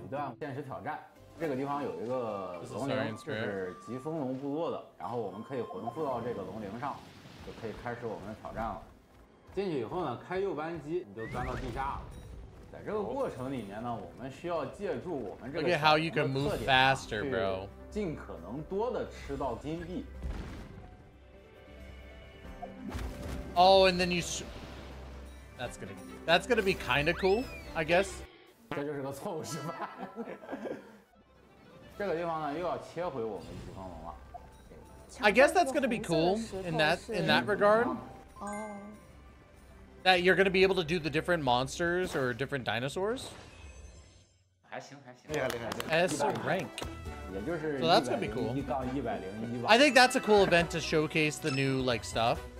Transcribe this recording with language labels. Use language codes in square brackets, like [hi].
[en] Look at how you can move faster, bro. [zh] 尽可能多的吃到金币。 [en] Oh, and then you. That's gonna be kind of cool, I guess. [zh] 这就是个错误示范。这个地方呢，又要切回我们疾风龙了。 [en] I guess that's gonna be cool in that regard. That you're gonna be able to do the different monsters or different dinosaurs. [zh] 还行还行。厉害厉害。 [en] S rank. So that's gonna be cool. I think that's a cool event to showcase the new, like, stuff.